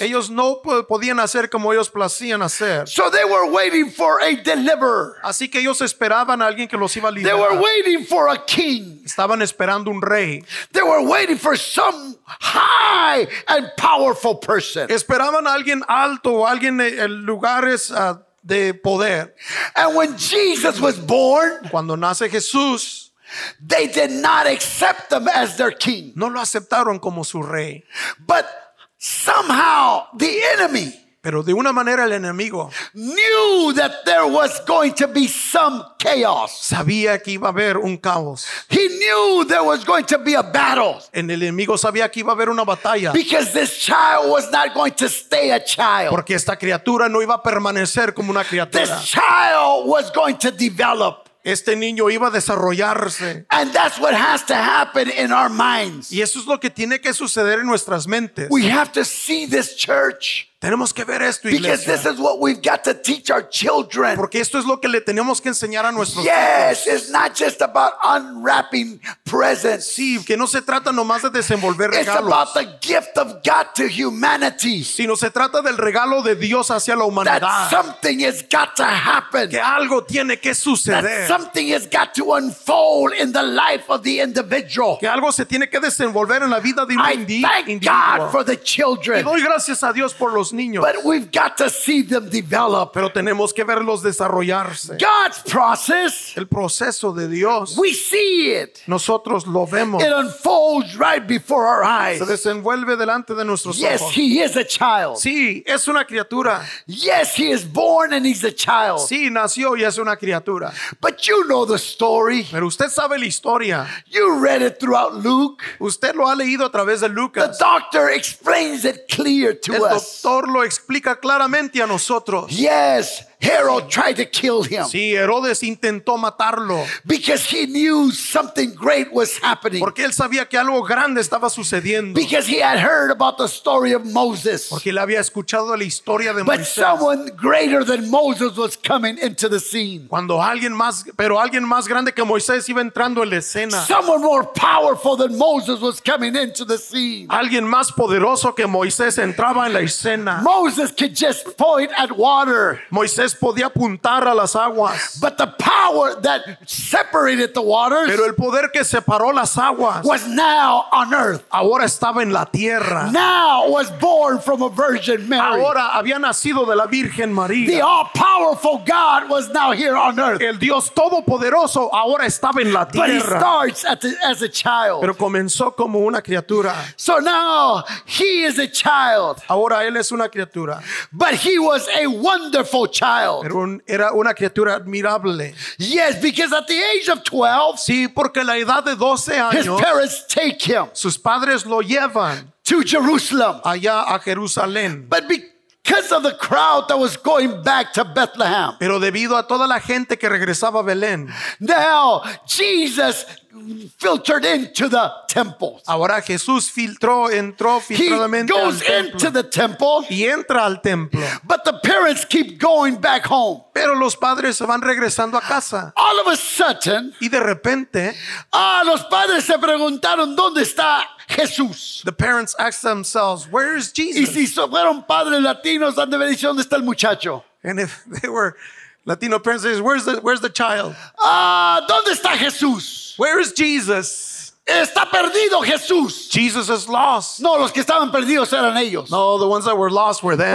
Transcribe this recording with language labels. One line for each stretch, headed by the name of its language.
Spanish: Ellos no podían hacer como ellos placían hacer.
English: So they were waiting for a deliverer.
Spanish: Así que ellos esperaban a alguien que los iba a liberar.
English: They were waiting for a king.
Spanish: Estaban esperando un rey.
English: They were waiting for some high and powerful person.
Spanish: Esperaban a alguien alto o alguien en lugares de poder.
English: And when Jesus was born,
Spanish: cuando nace Jesús,
English: they did not accept him as their king.
Spanish: No lo aceptaron como su rey.
English: But somehow the enemy,
Spanish: pero de una manera el enemigo,
English: knew that there was going to be some chaos.
Spanish: Sabía que iba a haber un caos.
English: He knew there was going to be a battle.
Spanish: En el enemigo sabía que iba a haber una batalla.
English: Because this child was not going to stay a child.
Spanish: Porque esta criatura no iba a permanecer como una criatura.
English: This child was going to develop.
Spanish: Este niño iba a desarrollarse.
English: And that's what has to happen in our minds.
Spanish: Y eso es lo que tiene que suceder en nuestras mentes.
English: We have to see this church.
Spanish: Tenemos que ver esto,
English: because
Spanish: iglesia.
English: This is what we've got to teach our children.
Spanish: Porque esto es lo que le tenemos que enseñar a nuestros
English: yes, It's not just about unwrapping presents.
Spanish: Sí, que no se trata nomás de desenvolver
English: it's
Spanish: regalos.
English: It's about the gift of God to humanity.
Spanish: Sino se trata del regalo de Dios hacia la humanidad.
English: That something has got to happen.
Spanish: Que algo tiene que suceder.
English: That something has got to unfold in the life of the individual.
Spanish: Que algo se tiene que desenvolver en la vida de un individuo.
English: I thank God for the children.
Spanish: Y doy gracias a Dios por los los niños.
English: But we've got to see them develop.
Spanish: Pero tenemos que verlos desarrollarse.
English: God's process.
Spanish: El proceso de Dios.
English: We see it.
Spanish: Nosotros lo vemos.
English: It unfolds right before our eyes.
Spanish: Se desenvuelve delante de nuestros ojos.
English: Yes, he is a child.
Spanish: Sí, es una criatura.
English: Yes, he is born and he's a child.
Spanish: Sí, nació y es una criatura.
English: But you know the story.
Spanish: Pero usted sabe la historia.
English: You read it throughout Luke.
Spanish: Usted lo ha leído a través de Lucas.
English: The doctor explains it clear to us.
Spanish: El doctor lo explica claramente a nosotros.
English: Yes, Herod tried to kill him.
Spanish: Sí, Herodes intentó matarlo.
English: Because he knew something great was happening.
Spanish: Porque él sabía que algo grande estaba sucediendo.
English: Because he had heard about the story of Moses.
Spanish: Porque él había escuchado la historia de
English: Moisés. But someone greater than Moses was coming into the scene.
Spanish: Cuando alguien más grande que Moisés iba entrando en la escena.
English: Someone more powerful than Moses was coming into the scene.
Spanish: Alguien más poderoso que Moisés entraba en la escena.
English: Moses could just point at water.
Spanish: Moisés podía apuntar a las aguas.
English: But the power that separated the waters,
Spanish: pero el poder que separó las aguas,
English: was now on earth.
Spanish: Ahora estaba en la tierra.
English: Now was born from a virgin Mary.
Spanish: Ahora había nacido de la Virgen María.
English: The all-powerful God was now here on earth.
Spanish: El Dios todopoderoso ahora estaba en la tierra.
English: But he starts as a child.
Spanish: Pero comenzó como una criatura.
English: So now he is a child.
Spanish: Ahora él es una criatura.
English: But he was a wonderful child.
Spanish: Era una criatura admirable.
English: Yes, because at the age of 12,
Spanish: sí, porque la edad de 12 años,
English: his parents take him,
Spanish: sus padres lo llevan,
English: to Jerusalem,
Spanish: allá a Jerusalén.
English: But because of the crowd that was going back to Bethlehem,
Spanish: pero debido a toda la gente que regresaba a Belén,
English: now Jesus filtered into the temple.
Spanish: Ahora Jesús entró filtradamente.
English: He goes into the temple.
Spanish: Y entra al templo.
English: But the parents keep going back home.
Spanish: Pero los padres se van regresando a casa.
English: All of a sudden.
Spanish: Y de repente. Ah, los padres se preguntaron dónde está Jesús.
English: The parents asked themselves, where is Jesus?
Spanish: Y si fueron padres latinos, han de haber dicho dónde está el muchacho.
English: And if they were Latino parents, says, where's the child?
Spanish: ¿Dónde está Jesús?
English: Where is Jesus?
Spanish: Está perdido Jesús.
English: Jesus is lost.
Spanish: No, los que estaban perdidos eran ellos.
English: No, the ones that were lost were them.